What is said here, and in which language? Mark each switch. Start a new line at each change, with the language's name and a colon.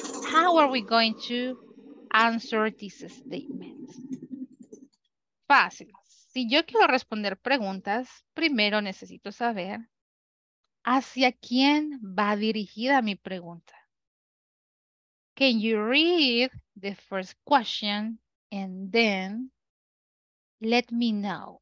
English: How are we going to answer this statement?
Spanish: Fácil. Si yo quiero responder preguntas, primero necesito saber hacia quién va dirigida mi pregunta.
English: Can you read the first question and then let me know?